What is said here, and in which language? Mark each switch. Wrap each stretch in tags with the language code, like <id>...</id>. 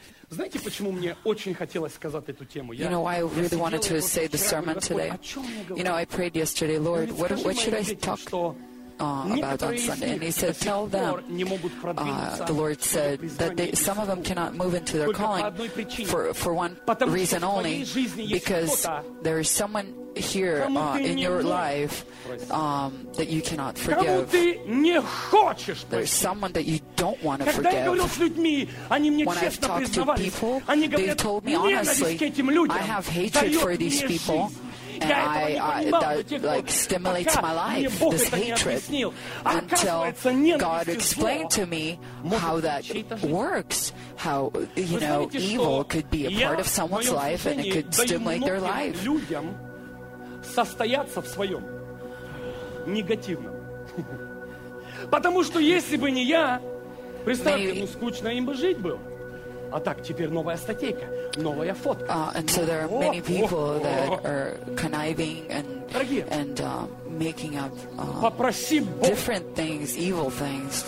<ru>Знаете, почему мне очень хотелось сказать эту тему?</ru> <en>You know why I really wanted to say the sermon today? You know, I prayed yesterday, Lord, what should I talk about on Sunday? And he said, tell them, the Lord said, that some of them cannot move into their calling for one reason only, because there is someone here in your life that you cannot forgive. There's someone that you don't want to forgive. When I've talked to people, they told me honestly, I have hatred for these people. And that stimulates my life, this hatred, until God explained to me how that works, how, you know, evil could be a part of someone's life and it could stimulate their life.</en> <ru>Состояться в своем негативном. Потому что если бы не я, представьте, ну скучно им бы жить было. А так, теперь новая статейка, новая фотка.</ru> <en>And so there are many people that are conniving and making up different things, evil things.</en>